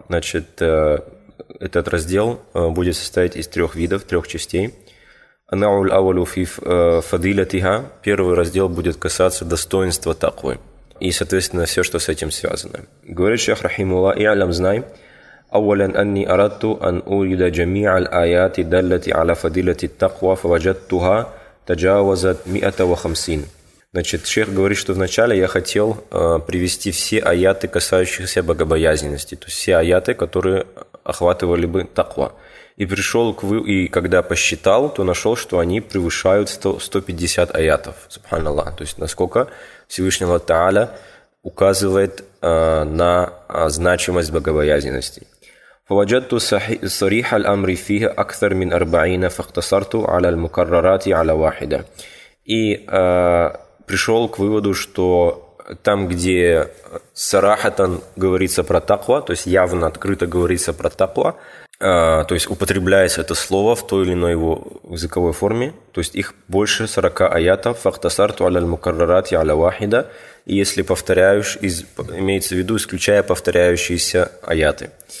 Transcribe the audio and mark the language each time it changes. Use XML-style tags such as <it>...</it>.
<ru>Значит, этот раздел будет состоять из трех видов, трех частей.</ru> <ar>Анау аль-авалу фи фадилятиха.</ar> <ru>Первый раздел будет касаться достоинства таквы. И, соответственно, все, что с этим связано. Говорит шейх рахимуллах, и'лам, знай.</ru> <ar>أولاً أني أردت أن أريد جميع الآيات دلت على فضيلة التقوى فوجدتها تجاوزت 150.</ar> <ru>Значит, шейх говорит, что вначале я хотел привести все аяты, касающиеся богобоязненности, то есть все аяты, которые охватывали бы таква. И пришел к вы, и когда посчитал, то нашел, что они превышают 150 аятов, субханаллах. То есть насколько Всевышнего Та'аля указывает на значимость богобоязненности.</ru> <ar>فوجدت صريح الأمر فيه أكثر من 40 فاختصرت على المكررات على واحدة.</ar> <ru>И пришел к выводу, что там, где сарахатан говорится про таква, то есть явно открыто говорится про таква, то есть употребляется это слово в той или иной его языковой форме, то есть их больше 40 аятов,</ru> <ar>фахтасарту аля мукаррарат аля вахида,</ar> <ru>и если повторяешь, имеется в виду, исключая повторяющиеся аяты.</ru>